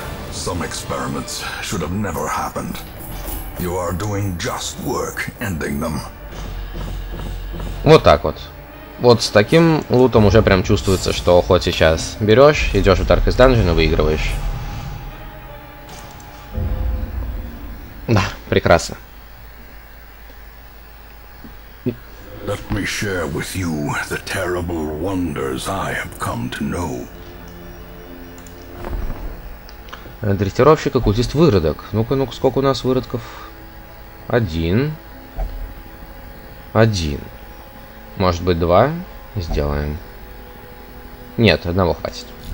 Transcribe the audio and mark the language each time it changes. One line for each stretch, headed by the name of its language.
English: Some experiments should have never happened. You are doing just work ending them.
Russian: Вот так вот. Вот с таким лутом уже прям чувствуется, что хоть сейчас берешь, идешь в Darkest Dungeon и выигрываешь. Да, прекрасно.
English: Let me share with you the terrible wonders I have come to know.
Russian: Дрессировщик, оккультист, выродок. Ну-ка, ну-ка, сколько у нас выродков? Один. Один. Может быть, два? Сделаем. Нет, одного хватит.